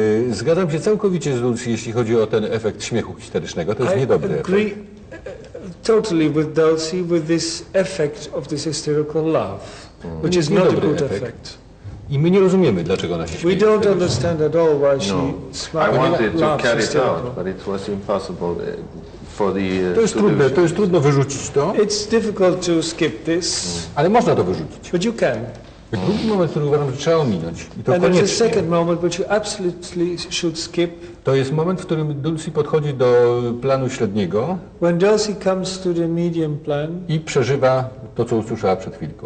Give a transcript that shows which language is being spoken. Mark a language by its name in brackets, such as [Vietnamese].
[Polish] Zgadzam się całkowicie z Lucy, jeśli chodzi o ten efekt śmiechu histerycznego. To jest niedobry efekt. [English] Totally with Dulcie with this effect of this hysterical laugh, which is not a good effect. [Polish] I my nie rozumiemy, dlaczego ona się śmieje. [English] We don't understand at all why she smiled. I wanted to carry it out, but it was impossible. [Polish] To jest trudne, to jest trudno wyrzucić to. [English] It's difficult to skip this. [Polish] Ale można to wyrzucić. [English] But you can. [Polish] Drugi moment, który uważam, że trzeba ominąć. I to koniecznie. [English] And it's a second moment, which you absolutely should skip. [Polish] To jest moment, w którym Dulcie podchodzi do planu średniego. [English] When Dulcie comes to the medium plan. [Polish] I przeżywa to, co usłyszała przed chwilką.